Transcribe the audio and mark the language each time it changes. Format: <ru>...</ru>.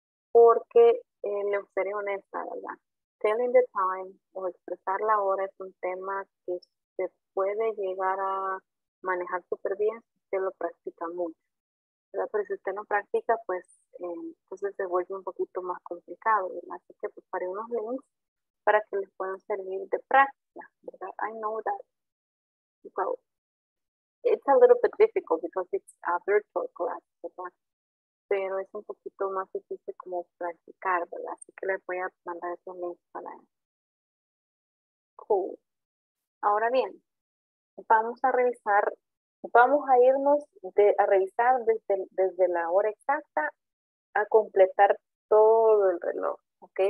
<es>Porque les seré honesta, ¿verdad?</es> <en>Telling the time</en> <es>o expresar la hora es un tema que se puede llegar a manejar súper bien si usted lo practica mucho, ¿verdad? Pero si usted no practica, pues entonces se vuelve un poquito más complicado, ¿verdad? Así que preparé unos links para que les puedan servir de práctica, ¿verdad?</es> <en>I know that. So, it's a little bit difficult because it's a virtual class, ¿verdad?</en> <es>Pero es un poquito más difícil como practicar, ¿verdad? Así que les voy a mandar esos links para él. Cool. Ahora bien, vamos a revisar, vamos a irnos a revisar desde la hora exacta a completar todo el reloj, ¿ok?</es>